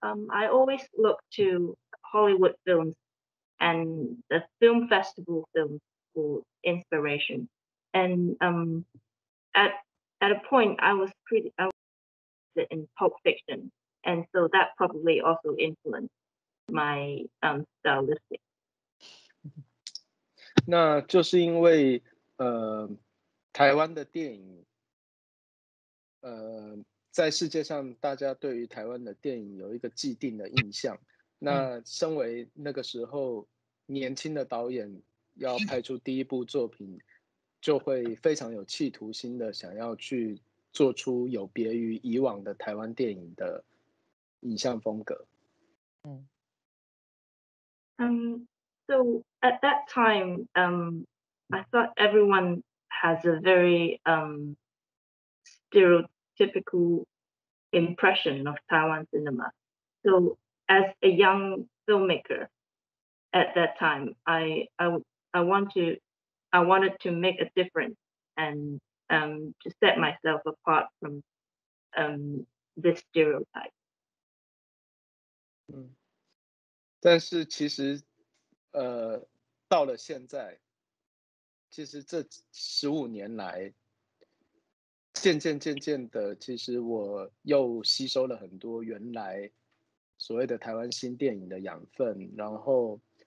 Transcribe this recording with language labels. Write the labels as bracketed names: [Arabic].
[English] I always look to Hollywood films and the film festival films for inspiration. And at a point, I was pretty interested in Pulp Fiction, and so that probably also influenced my stylistic. [Chinese] 那就是因为台湾的电影，在世界上大家对于台湾的电影有一个既定的印象。那身为那个时候年轻的导演，要拍出第一部作品，就会非常有企图心的想要去做出有别于以往的台湾电影的影像风格。 [English] So at that time, I thought everyone has a very stereotypical impression of Taiwan cinema. So as a young filmmaker at that time, I wanted to make a difference and to set myself apart from this stereotype. [Chinese] 但是其实到了现在，其实这十五年来渐渐的，其实我又吸收了很多原来所谓的台湾新电影的养分，然后